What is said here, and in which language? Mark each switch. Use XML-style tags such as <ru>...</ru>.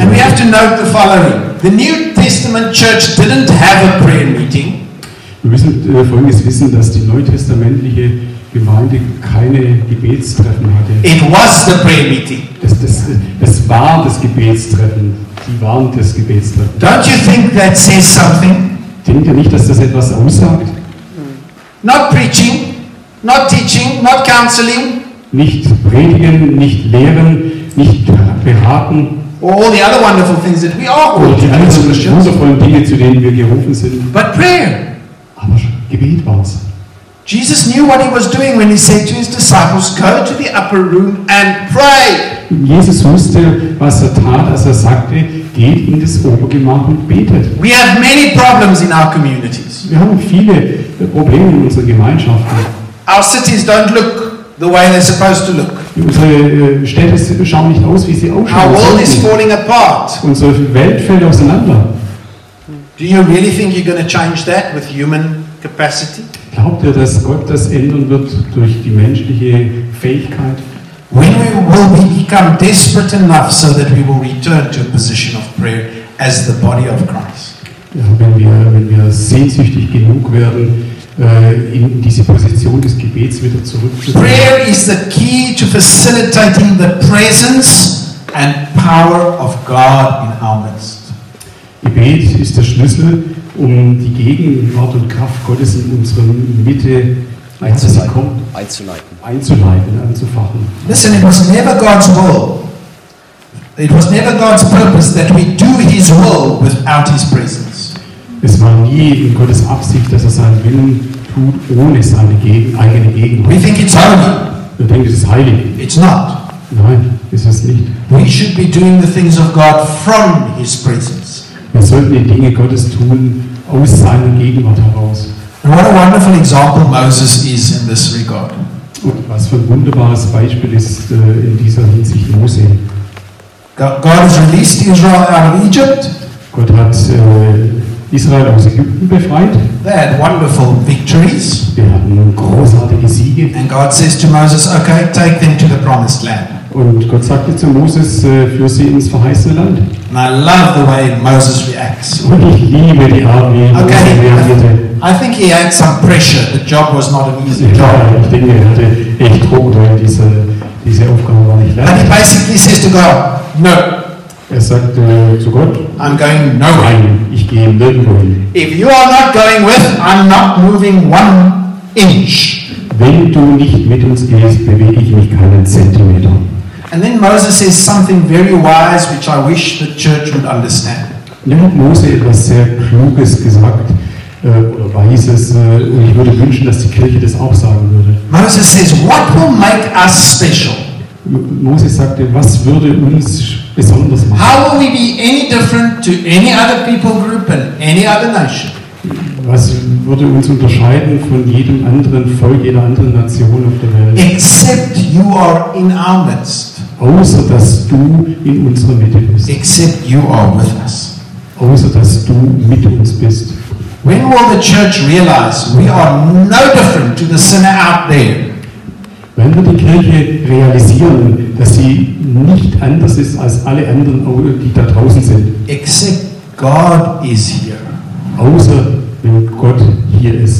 <en>And we have to note the following. The New Testament church didn't have a prayer meeting.</en> <de>Wir müssen folgendes wissen, dass die neutestamentliche Gemeinde keine Gebetstreffen hatte.</de> <en>It was the prayer meeting.</en> <de>Das war das Gebetstreffen. Die waren das Gebetstreffen.</de> <en>Don't you think that says something?</en> <de>Denkt ihr nicht, dass das etwas aussagt?</de> <en>Not preaching, not teaching, not counseling.</en> <de>Nicht predigen, nicht lehren, nicht beraten.</de> <en>All the other wonderful things that we are called to.</en> <de>Die ganzen wundervollen Dinge, zu denen wir gerufen sind.</de> <en>But prayer.</en> <de>Aber Gebet war es.</de> <en>Jesus knew what he was doing when he said to his disciples, "Go to the upper room and pray."</en> <de>Jesus wusste, was er tat, als er sagte, geht in das Obergemach und betet.</de> <en>We have many problems in our communities.</en> <de>Wir haben viele Probleme in unserer Gemeinschaft.</de> <en>Our cities don't look the way they're supposed to look.</en> <de>Unsere Städte schauen nicht aus, wie sie ausschauen.</de> <en>Our world is falling apart.</en> <de>Unsere Welt fällt auseinander.</de> <en>Do you really think you're going to change that with human capacity?</en> <de>Glaubt ihr, dass Gott das ändern wird durch die menschliche Fähigkeit?</de> <en>When will we become desperate enough so that we will return to a position of prayer as the body of Christ?</en> <de>Ja, wenn wir sehnsüchtig genug werden, in diese Position des Gebets wieder zurückzukommen.</de> <en>Prayer is the key to facilitating the presence and power of God in our midst.</en> <de>Gebet ist der Schlüssel, um die Gegenwart und Kraft Gottes in unserer Mitte einzuleiten, anzufachen.</de> <en>Listen, it was never God's will. It was never God's purpose that we do His will without His presence.</en> <de>Es war nie in Gottes Absicht, dass er seinen Willen tut ohne seine eigene Gegenwart.</de> <en>We think it's holy.</en> <de>Wir denken, es ist heilig.</de> <en>It's not.</en> <de>Nein, ist es nicht.</de> <en>We should be doing the things of God from His presence.</en> <de>Wir sollten die Dinge Gottes tun aus seiner Gegenwart heraus.</de> <en>And what a wonderful example Moses is in this regard.</en> <de>Und was für ein wunderbares Beispiel ist in dieser Hinsicht Mose.</de> <en>God has released Israel out of Egypt.</en> <de>Gott hat Israel aus Ägypten befreit.</de> <en>They had wonderful victories.</en> <de>Wir hatten großartige Siege.</de> <en>And God says to Moses, okay, take them to the promised land.</en> <de>Und Gott sagte zu Moses, führ sie ins verheißene Land.</de> <en>And I love the way Moses reacts.</en> <de>Und ich liebe die Art, wie okay, Moses reagierte.</de> <en>I think he had some pressure. The job was not an easy job.</en> <de>Ja, ich denke, er hatte echt Druck, weil diese Aufgabe war nicht leicht.</de> <en>And he basically says to God, no.</en> <de>Er sagt zu Gott,</de> <en>I'm going nowhere.</en> <de>Nein, ich gehe nirgendwo hin.</de> <en>If you are not going with, I'm not moving one inch.</en> <de>Wenn du nicht mit uns gehst, bewege ich mich keinen Zentimeter.</de> <en>And then Moses says something very wise, which I wish the church would understand.</en> <de>Dann hat Mose etwas sehr Kluges gesagt, oder Weises, und ich würde wünschen, dass die Kirche das auch sagen würde.</de> <en>Moses says, what will make us special?</en> <de>Moses sagte, was würde uns besonders machen?</de> <en>How will we be any different to any other people group and any other nation?</en> <de>Was würde uns unterscheiden von jedem anderen Volk, jeder anderen Nation auf der Welt?</de> <en>Except you are in our midst.</en> <de>Außer dass du in unserer Mitte bist.</de> <en>Except you are with us.</en> <de>Außer dass du mit uns bist.</de> <en>When will the church realize we are no different to the sinner out there?</en> <de>Wann wird die Kirche realisieren, dass sie nicht anders ist als alle anderen, die da draußen sind?</de> <en>Except God is here.</en> <de>Außer wenn Gott hier ist.</de>